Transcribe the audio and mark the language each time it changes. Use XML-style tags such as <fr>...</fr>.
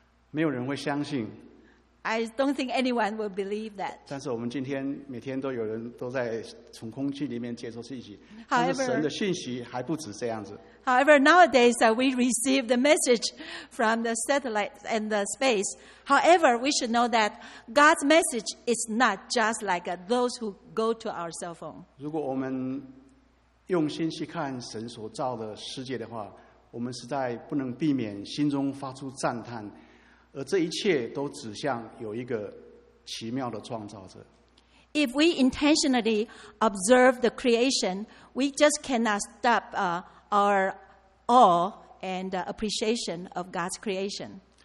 <zh>没有人会相信。</zh> <en>I don't think anyone will believe that.</en> <zh>但是我们今天每天都有人都在从空气里面接收信息，但是神的信息还不止这样子。</zh> <en>However, nowadays we receive the message from the satellite and the space. However, we should know that God's message is not just like those who go to our cell phone.</en> <zh>如果我们用心去看神所造的世界的话，我们实在不能避免心中发出赞叹。而这一切都指向有一个奇妙的创造者。</zh> <en>If we intentionally observe the creation, we just cannot stop our awe and appreciation of God's creation.</en>